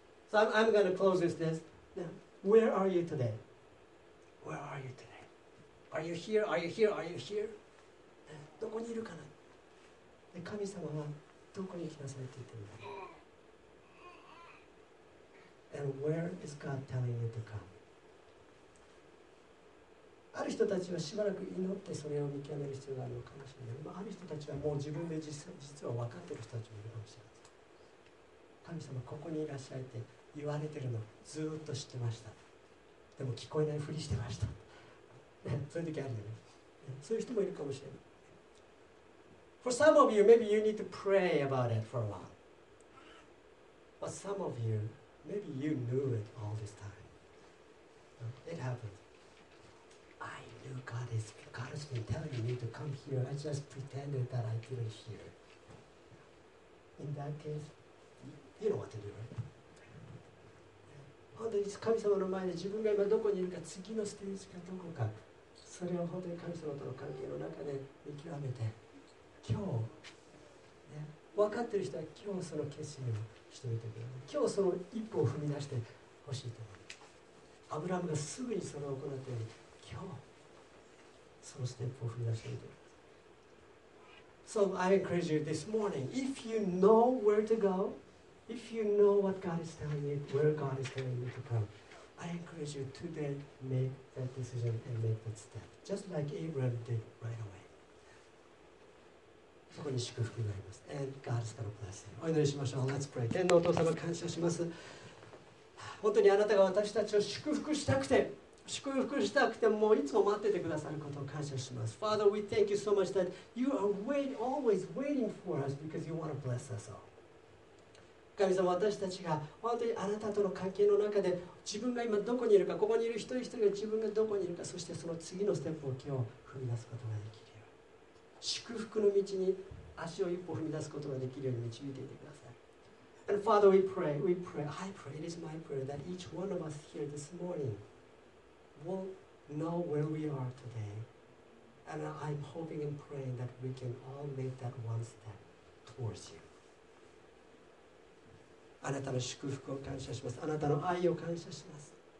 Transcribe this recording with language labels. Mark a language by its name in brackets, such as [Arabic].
[English] So I'm going to close with this. Now, where are you today? Where are you today? Are you here? Are you here? Are you here? [Japanese] どこにいるかな？で、神様はどこに行きなさいって言ってるの？ [English] And where is God telling you to come? [Japanese] ある人たちはしばらく祈ってそれを見極める必要があるのかもしれない。まあ、ある人たちはもう自分で実は分かってる人たちもいるかもしれない。神様ここにいらっしゃいって言われてるのずっと知ってました。でも聞こえないふりしてましたそういう時あるよね。そういう人もいるかもしれない。 [English] For some of you, maybe you need to pray about it for a while. But some of you, maybe you knew it all this time. It happened. I knew God is, God has been telling me to come here. I just pretended that I didn't hear. In that case You know what to do, right? [Japanese] 本当に神様の前で自分が今どこにいるか、次のステージがどこか、それを本当に神様との関係の中で見極めて、今日、ね、分かってる人は今日その決心をしてみてください。今日その一歩を踏み出してほしいと思う。アブラハムがすぐにそれを行ったように、今日そのステップを踏み出してみてください。 [English] So I encourage you this morning, if you know where to go, if you know what God is telling you, where God is telling you to come, I encourage you today make that decision and make that step, just like Abraham did right away. [Japanese] そこに祝福があります。 [English] And God is going to bless you. [Japanese] お祈りしましょう。 [English] Let's pray. [Japanese] 天のお父様、感謝します。本当にあなたが私たちを祝福したくて、祝福したくてもういつも待っててくださることを感謝します。 [English] Father, we thank you so much that you are always waiting for us because you want to bless us all. [Japanese] 神様、私たちが本当にあなたとの関係の中で自分が今どこにいるか、ここにいる一人一人が自分がどこにいるか、そしてその次のステップを今日踏み出すことができるように、祝福の道に足を一歩踏み出すことができるように導いていてください。 [English] And Father, I pray, it is my prayer that each one of us here this morning will know where we are today, and I'm hoping and praying that we can all make that one step towards you. [Japanese] あなたの祝福を感謝します。あなたの愛を感謝します。